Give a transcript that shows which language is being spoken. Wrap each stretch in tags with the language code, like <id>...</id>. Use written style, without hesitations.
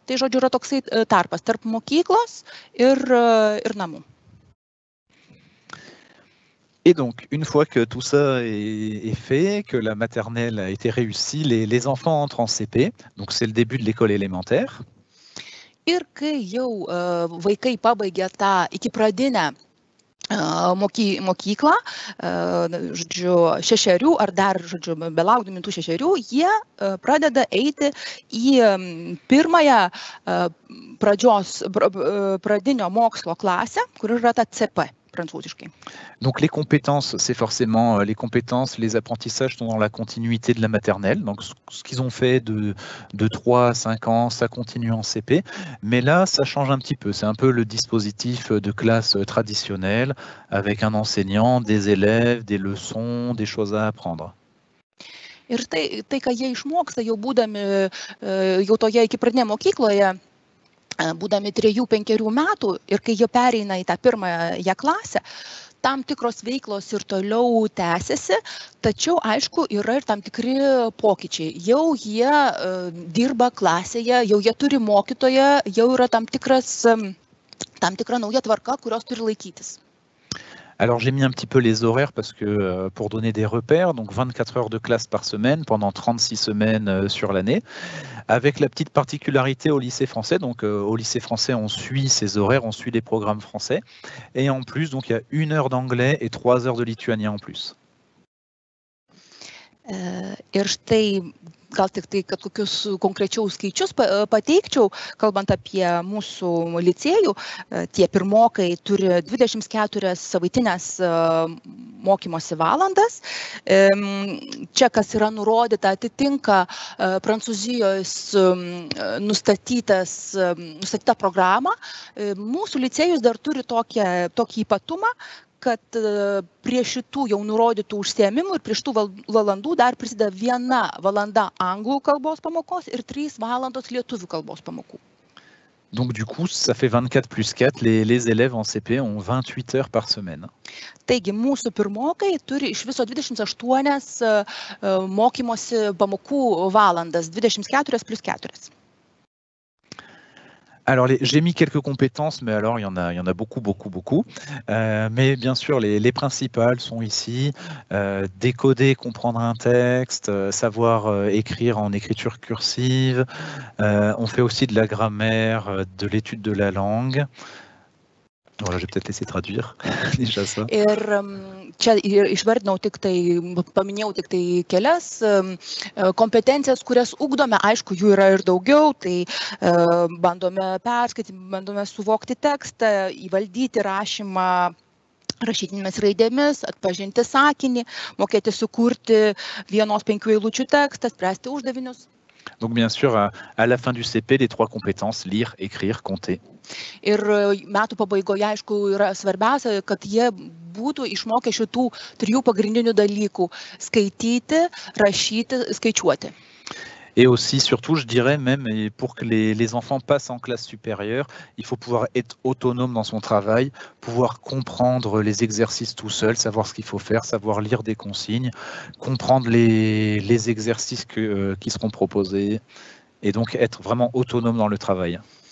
<lt>Tai, žodžiu, yra toksai tarpas tarp mokyklos ir namų.</lt> <fr>Et donc, une fois que tout ça est fait, que la maternelle a été réussie, les enfants entrent en CP, donc c'est le début de l'école élémentaire.</fr> <lt>Ir kai jau vaikai pabaigia tą iki pradinę mokyklą, žodžiu, 6 ar dar, žodžiu, belaukdami tų 6, jie pradeda eiti į pirmąją pradinio mokslo klasę, kur yra ta CP.</lt> <fr>Donc les compétences, c'est forcément les compétences, les apprentissages sont dans la continuité de la maternelle. Donc ce qu'ils ont fait de 3 à 5 ans, ça continue en CP. Mais là, ça change un petit peu. C'est un peu le dispositif de classe traditionnelle avec un enseignant, des élèves, des leçons, des choses à apprendre.</fr> <lt>Et tai, ką jie išmoksta jau būdami jau toje iki pradinėje mokykloje. Būdami 3-5 metų ir kai jie pereina į tą pirmąją klasę, tam tikros veiklos ir toliau tęsiasi, tačiau, aišku, yra ir tam tikri pokyčiai. Jau jie dirba klasėje, jau jie turi mokytoją, jau yra tam tikra nauja tvarka, kurios turi laikytis.</lt> <fr>Alors j'ai mis un petit peu les horaires parce que pour donner des repères, donc 24 heures de classe par semaine pendant 36 semaines sur l'année, avec la petite particularité au lycée français, donc au lycée français on suit ces horaires, on suit les programmes français, et en plus donc il y a 1 heure d'anglais et 3 heures de lituanien en plus.</fr> <lt>Ir štai gal tik tai, kad kokius konkrečiaus skaičius pateikčiau, kalbant apie mūsų licėjų, tie pirmokai turi 24 savaitinės mokymosi valandas. Čia, kas yra nurodyta, atitinka Prancūzijos nustatytą programą. Mūsų licėjus dar turi tokį ypatumą, kad prie šitų jau nurodytų užsiėmimų ir prie šitų valandų dar prisideda viena valanda anglų kalbos pamokos ir 3 valandos lietuvių kalbos pamokų.</lt> <fr>Donc du coup, ça fait 24 plus 4, les élèves en CP ont 28 heures par semaine.</fr> <lt>Taigi, mūsų pirmokai turi iš viso 28 mokymosi pamokų valandas, 24 plus 4.</lt> <fr>Alors, j'ai mis quelques compétences, mais alors il y en a beaucoup, beaucoup, beaucoup. Mais bien sûr, les principales sont ici, décoder, comprendre un texte, savoir écrire en écriture cursive. On fait aussi de la grammaire, de l'étude de la langue. Voilà, j'ai peut-être laissé traduire déjà ça.</fr> <lt>Čia išvardinau tik tai, paminėjau tik tai kelias kompetencijas, kurias ugdome, aišku, jų yra ir daugiau, tai bandome perskaityti, bandome suvokti tekstą, įvaldyti rašymą rašytinėmis raidėmis, atpažinti sakinį, mokėti sukurti vienos 5 eilučių tekstą, spręsti uždavinius.</lt> <fr>Donc bien sûr, à la fin du CP, les 3 compétences, lire, écrire, compter.</fr> <lt>Ir metų pabaigoje, aišku, yra svarbiausia, kad jie būtų išmokę šitų 3 pagrindinių dalykų – skaityti, rašyti, skaičiuoti.</lt> <fr>Et aussi, surtout, je dirais même, pour que les enfants passent en classe supérieure, il faut pouvoir être autonome dans son travail, pouvoir comprendre les exercices tout seul, savoir ce qu'il faut faire, savoir lire des consignes, comprendre les exercices qui seront proposés, et donc être vraiment autonome dans le travail.</fr>